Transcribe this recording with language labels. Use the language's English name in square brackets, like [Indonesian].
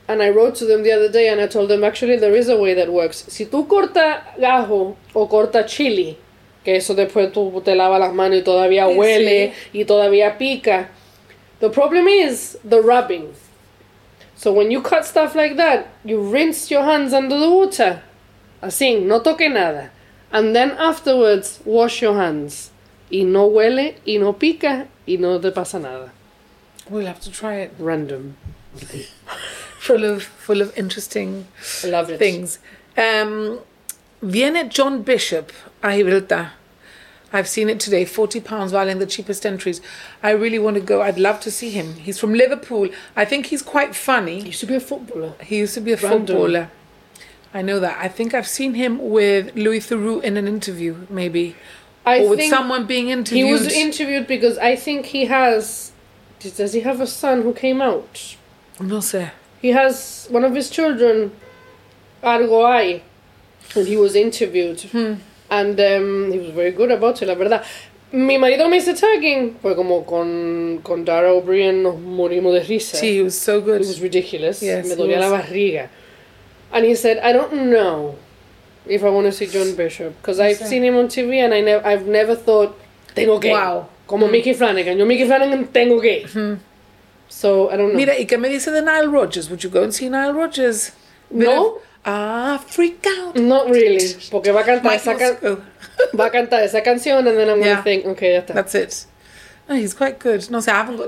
[English] And I wrote to them the other day and I told them, actually there is a way that works. [Spanish] Si tú corta ajo o corta chili, que eso después tú te lavas las manos y todavía huele, sí. Y todavía pica. [English] The problem is the rubbing. So when you cut stuff like that, you rinse your hands under the water. [Spanish] Así, no toque nada. [English] And then afterwards, wash your hands. [Spanish] Y no huele, y no pica, y no te pasa nada. [English] We'll have to try it. Random. full of interesting things. [Spanish] Viene John Bishop a Gibraltar. [English] I've seen it today. £40 valing the cheapest entries. I really want to go. I'd love to see him. He's from Liverpool. I think he's quite funny. He used to be a footballer. Footballer. I know that. I think I've seen him with Louis Theroux in an interview, maybe. Someone being interviewed. He was interviewed because I think he has... Does he have a son who came out? [Spanish] No sé. [English] He has one of his children, Argo Ai. And he was interviewed. And he was very good about it, [Spanish] la verdad. Mi marido me hizo tagging. Fue como con Dara O'Brien nos morimos de risa. [English] Sí, he was so good. It was ridiculous. Yes, [Spanish] me dolía la barriga. [English] And he said, I don't know if I want to see John Bishop. Because I've seen him on TV and I've never thought, [Spanish] tengo que. [English] Wow. [Spanish] Como Mickey Flanagan. Yo Mickey Flanagan tengo que. [English] So, I don't know. [Spanish] Mira, ¿y qué me dice de Nile Rodgers? [English] Would you go and see Nile Rodgers? No. Freak out. Not really. [Spanish] Porque va a cantar va a cantar esa canción [English] and then I'm going to think, okay, [Spanish] ya está. [English] That's it. Oh, he's quite good. [Spanish] No sé, [English] I haven't got